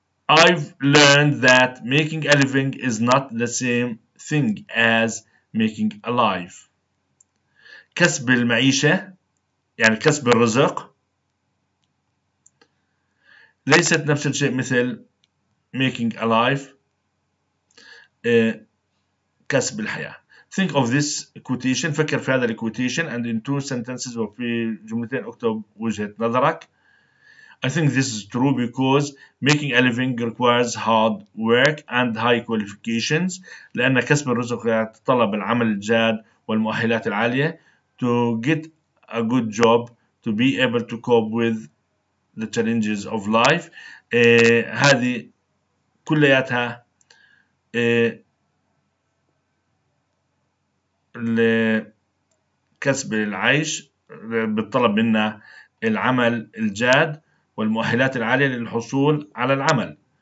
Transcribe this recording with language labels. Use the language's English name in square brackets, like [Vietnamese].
[English] I've learned that making a living is not the same thing as making a life، [Arabic] كسب المعيشة يعني كسب الرزق ليست نفس الشيء مثل [English] making a life، [Arabic] كسب الحياة. [English] Think of this quotation، [Arabic] فكر في هذا الكوتيشن [English] and in two sentences، [Arabic] وفي جملتين اكتب وجهة نظرك. [English] I think this is true because making a living requires hard work and high qualifications. [Arabic] لأن كسب الرزق يتطلب العمل الجاد والمؤهلات العالية. [English] To get a good job, to be able to cope with the challenges of life. [Arabic] هذه كلياتها لكسب العيش بالطلب منا العمل الجاد والمؤهلات العالية للحصول على العمل.